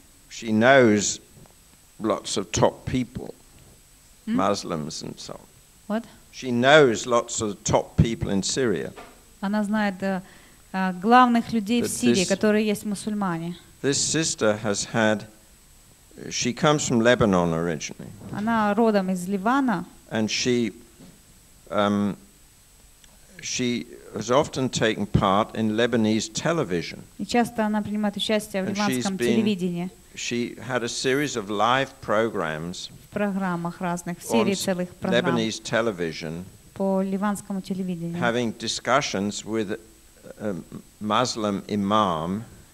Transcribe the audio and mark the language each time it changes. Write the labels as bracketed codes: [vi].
[en] She knows lots of top people, Muslims and so on. What? She knows lots of top people in Syria. [ru] Она знает главных людей в Сирии, которые есть мусульмане. [en] This sister has had, she comes from Lebanon originally. [ru] Она родом из Ливана. [en] And she has often taken part in Lebanese television. [ru] И часто она принимает участие в ливанском телевидении. [en] She had a series of live programs. [ru] В программах разных, в серии целых программ. [en] Lebanese television. [ru] По ливанскому телевидению. [en] Having discussions with a Muslim imam.